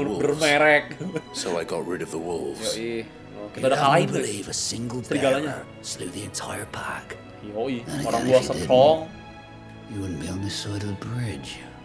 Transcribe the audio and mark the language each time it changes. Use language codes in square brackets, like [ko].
[en] wolves. So I got rid of the wolves. [id] Yoi. kita udah kalahin serigalanya. [en] Slew the entire pack. [id] Yoi, orang gua strong. [en] You wouldn't be on this side of the bridge.